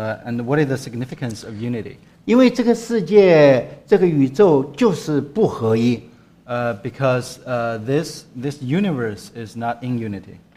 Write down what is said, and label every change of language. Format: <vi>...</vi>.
<en>And what is the significance of unity?</en> <zh>因为这个世界,这个宇宙就是不合一。</zh> <en>Because this universe is not in unity.</en>